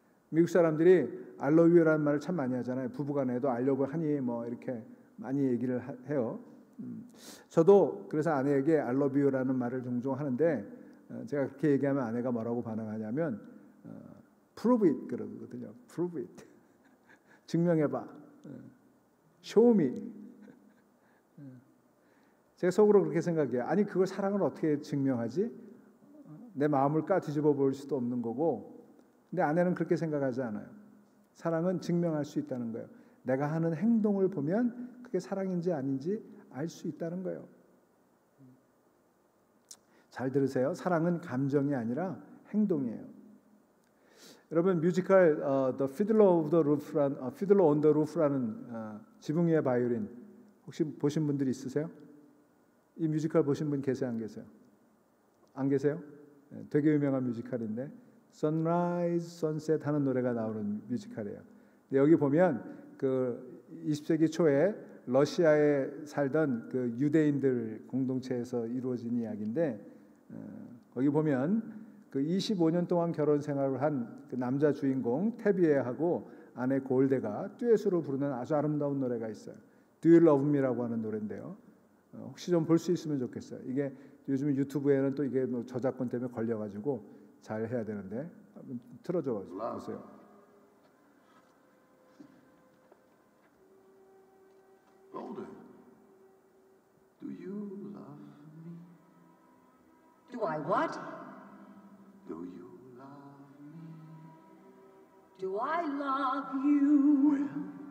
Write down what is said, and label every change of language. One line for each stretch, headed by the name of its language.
Korean: 미국 사람들이
English: I love you
Korean: 라는 말을 참 많이 하잖아요. 부부간에도 I love you 하니 뭐 이렇게 많이 얘기를 해요. 저도 그래서 아내에게
English: I love you
Korean: 라는 말을 종종 하는데 제가 그렇게 얘기하면 아내가 뭐라고 반응하냐면
English: prove it
Korean: 그러거든요.
English: prove it
Korean: 증명해봐.
English: show me.
Korean: 제가 속으로 그렇게 생각해요. 아니 그걸 사랑을 어떻게 증명하지? 내 마음을 까 뒤집어 볼 수도 없는 거고. 근데 아내는 그렇게 생각하지 않아요. 사랑은 증명할 수 있다는 거예요. 내가 하는 행동을 보면 그게 사랑인지 아닌지 알 수 있다는 거예요. 잘 들으세요. 사랑은 감정이 아니라 행동이에요. 여러분 뮤지컬 The Fiddler of the Roof라는 Fiddler on the Roof라는 지붕 위의 바이올린 혹시 보신 분들이 있으세요? 이 뮤지컬 보신 분 계세요? 안 계세요? 안 계세요? 되게 유명한 뮤지컬인데 Sunrise, Sunset 하는 노래가 나오는 뮤지컬이에요. 근데 여기 보면 그 20세기 초에 러시아에 살던 그 유대인들 공동체에서 이루어진 이야기인데 거기 보면 그 25년 동안 결혼 생활을 한 그 남자 주인공 테비에하고 아내 골데가 듀엣으로 부르는 아주 아름다운 노래가 있어요. Do You Love Me라고 하는 노래인데요. 혹시 좀 볼 수 있으면 좋겠어요. 이게 요즘 유튜브에는 또 이게 뭐 저작권 때문에 걸려가지고 잘 해야 되는데 한번 틀어줘 보세요.
English: 골데, Do you love me? Do I what? Do you love me? Do I love you? Well.